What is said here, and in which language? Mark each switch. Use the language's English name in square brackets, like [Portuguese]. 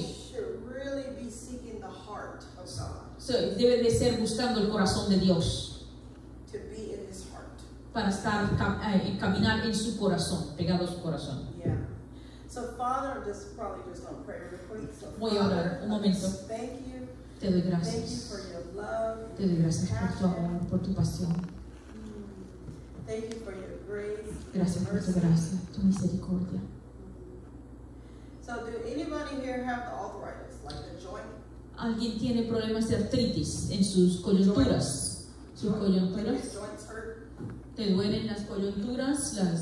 [English] Should really be seeking the heart of God. [Spanish] So, debe de ser buscando el corazón de Dios. [English] To be in His heart. [Spanish] Para estar caminar en su corazón, pegado a su corazón. [English] Yeah. So Father, this is probably just gonna pray real quick. [Spanish] Voy a orar un momento. [English] Thank you. [Spanish] Te doy gracias. [English] Thank you for your love. [Spanish] Te doy gracias por tu amor, por tu pasión. [English] Thank you for your grace. [Spanish] Gracias por tu gracia, tu misericordia. [English] So do anybody here have the arthritis, like the joint? [Spanish] ¿Alguien tiene problemas de artritis en sus coyunturas? ¿Sus coyunturas? ¿Te duelen las coyunturas?